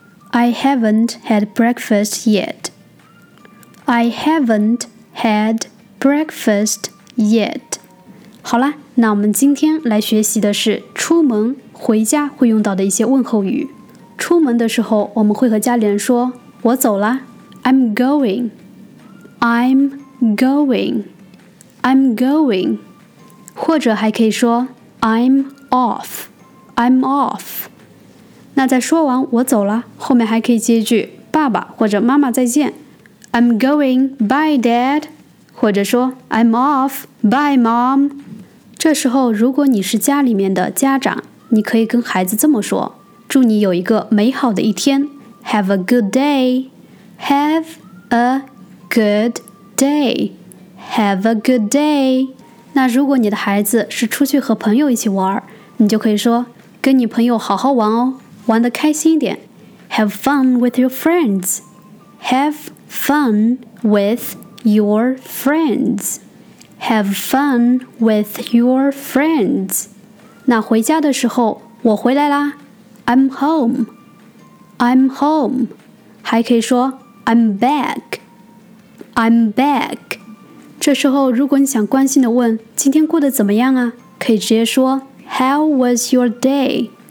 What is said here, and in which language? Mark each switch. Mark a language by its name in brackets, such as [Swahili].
[English] I haven't had breakfast yet. I haven't had breakfast yet. [Chinese] 好啦，那我们今天来学习的是出门回家会用到的一些问候语。出门的时候我们会和家里人说我走啦。 [English] I'm going. I'm going. I'm going. [Chinese] 或者还可以说 [English] I'm off. I'm off. [Chinese] 那在说完我走了，后面还可以接一句爸爸或者妈妈再见。 [English] I'm going, bye dad. [Chinese] 或者说 [English] I'm off, bye mom. [Chinese] 这时候如果你是家里面的家长，你可以跟孩子这么说，祝你有一个美好的一天。 [English] Have a good day. Have a good day. Have a good day. [Chinese] 那如果你的孩子是出去和朋友一起玩，你就可以说跟你朋友好好玩哦。玩得开心一点。 [English] Have fun with your friends. Have fun with your friends. Have fun with your friends. [Chinese] 那回家的时候，我回来啦。 [English] I'm home. I'm home. [Chinese] 还可以说 [English] I'm back. I'm back. [Chinese] 这时候如果你想关心地问今天过得怎么样啊，可以直接说 [English] How was your day?